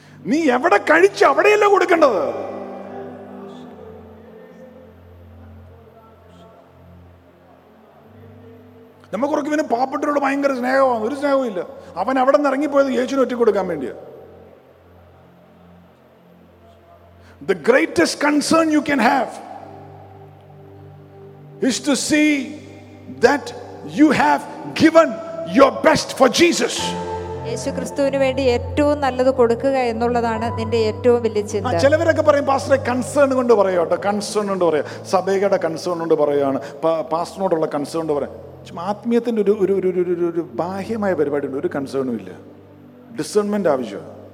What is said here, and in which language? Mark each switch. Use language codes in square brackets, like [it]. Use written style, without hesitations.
[ml] നീ എവിടെ കഴിച്ചു അവിടെയല്ല കൊടുക്കേണ്ടത്. നമുക്കുറക്കും ഇവന് പാവപ്പെട്ടവരോട് ഭയങ്കര സ്നേഹമാണ്, ഒരു സ്നേഹവും ഇല്ല. അവൻ അവിടെ നിന്ന് ഇറങ്ങിപ്പോയത് യേശുവിന് ഒറ്റ കൊടുക്കാൻ വേണ്ടിയാണ്. [en] The greatest concern you can have is to see that you have given your best for Jesus. [ml] യേശു ക്രിസ്തുവിനു വേണ്ടി ഏറ്റവും നല്ലത് കൊടുക്കുക എന്നുള്ളതാണ് നിന്റെ ഏറ്റവും വലിയ ചിന്ത. ചിലവരൊക്കെ പറയും, പാസ്റ്ററെ കൺസേൺ കൊണ്ട് പറയാം കേട്ടോ, കൺസേൺ കൊണ്ട് പറയാം, സഭയുടെ കൺസേൺ കൊണ്ട് പറയുകയാണ്, പാസ്റ്ററിനോടുള്ള കൺസേൺ കൊണ്ട് പറയാം. ആത്മീയത്തിന്റെ ഒരു ഒരു ഒരു ഒരു ഒരു ബാഹ്യമായ പരിപാടി ഉണ്ട്, ഒരു കൺസേണും ഇല്ല. ഡിസേൺമെന്റ് ആവശ്യമാണ്.